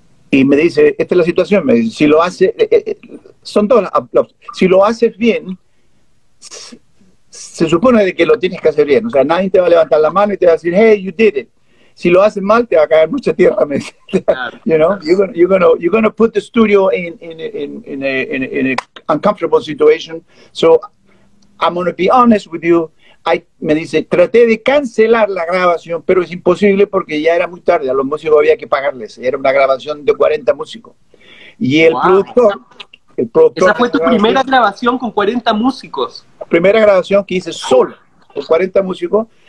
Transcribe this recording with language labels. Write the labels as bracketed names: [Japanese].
[Spanish] Y me dice, esta es la situación, me dice, si lo haces, son dos, si lo haces bien, se supone de que lo tienes que hacer bien, o sea, nadie te va a levantar la mano y te va a decir, [English] hey, you did it. [Spanish] Si lo haces mal, te va a caer mucha tierra, me dice. [English] You know, you're gonna put the studio in a uncomfortable situation. So I'm gonna be honest with you. [Spanish] Me dice, traté de cancelar la grabación, pero es imposible porque ya era muy tarde. A los músicos había que pagarles. Era una grabación de 40 músicos. Y el productor. Esa fue tu primera grabación con 40 músicos. Primera grabación que hice solo con 40 músicos.